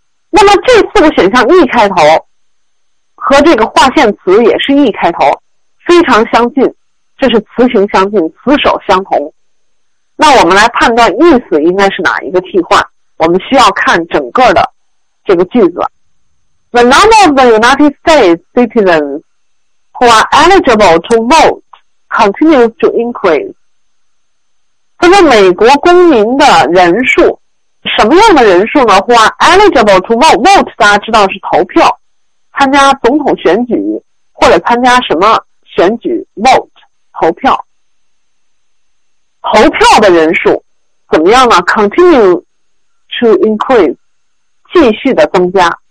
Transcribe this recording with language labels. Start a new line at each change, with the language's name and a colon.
Chinese: 那么这四个选项 E 开头和这个划线词也是 E 开头，非常相近，这是词形相近，词首相同。那我们来判断意思应该是哪一个替换，我们需要看整个的这个句子。
English: The number of the United States citizens who are eligible to vote continues to increase.
Chinese: 他说美国公民的人数，什么样的人数呢？
English: Who are eligible to vote?
Chinese: Vote 大家知道是投票，参加总统选举或者参加什么选举， vote 投票。投票的人数怎么样呢？
English: Continue to increase，
Chinese: 继续的增加。